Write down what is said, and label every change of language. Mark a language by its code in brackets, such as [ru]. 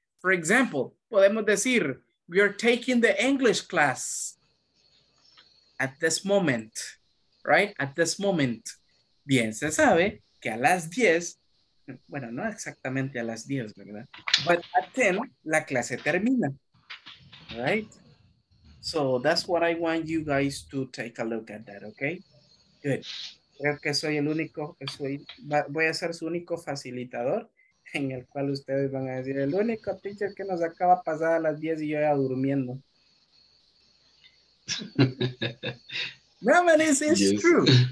[en] For example, [es] podemos decir, [en] we are taking the English class at this moment, right? At this moment. [es] Bien, se sabe que a las 10, bueno, no exactamente a las 10, ¿verdad? [en] But at 10, [es] la clase termina, [en] right? So that's what I want you guys to take a look at that, okay? Good. [es] Creo que soy el único, voy a ser su único facilitador en el cual ustedes van a decir, el único teacher que nos acaba pasada a las 10 y yo ya durmiendo. [en] No, man, it's true.